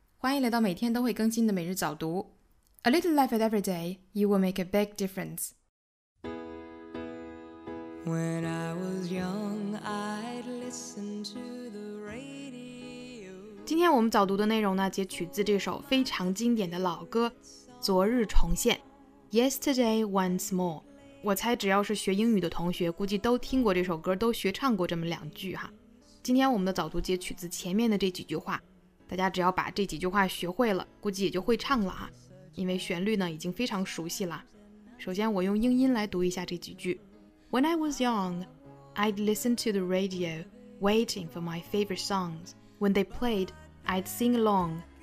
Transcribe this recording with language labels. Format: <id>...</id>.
<zh>欢迎来到每天都会更新的每日早读。</zh> <en>A little life at every day, you will make a big difference. When I was young, I'd listen to the radio.</en> <zh>今天我们早读的内容呢，截取自这首非常经典的老歌《昨日重现》Yesterday Once More。我猜只要是学英语的同学，估计都听过这首歌，都学唱过这么两句哈。今天我们的早读截取自前面的这几句话，大家只要把这几句话学会了，估计也就会唱了哈，因为旋律呢已经非常熟悉了。首先我用英音来读一下这几句。</zh> <en>When I was young, I'd listen to the radio, waiting for my favorite songs. When they played, I'd sing along.</en>